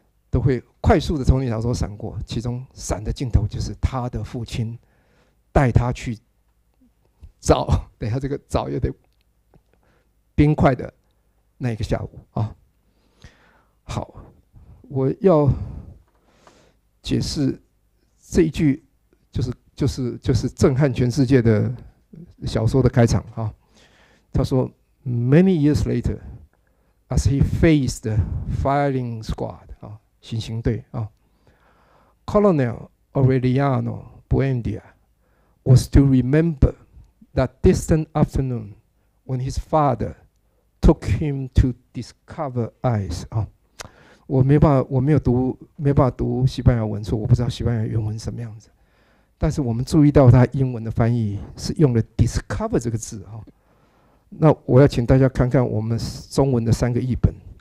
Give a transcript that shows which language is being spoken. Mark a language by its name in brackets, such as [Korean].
[Chinese] 都会快速的从你脑中闪过，其中闪的镜头就是他的父亲带他去找，等一下，这个找也得冰块的那一个下午啊。好，我要解释这一句，就是震撼全世界的小说的开场啊。 [English] 他说 ，Many years later, as he faced the firing squad 啊， [Chinese] 行刑队啊 [English] ，Colonel Aureliano Buendia was to remember. That distant afternoon when his father took him to discover eyes.、 [Chinese] 啊、我没办法读西班牙文，所以我不知道西班牙原文什么样子。但是我们注意到他英文的翻译是用了 discover 这个字、啊、那我要请大家看看我们中文的三个译本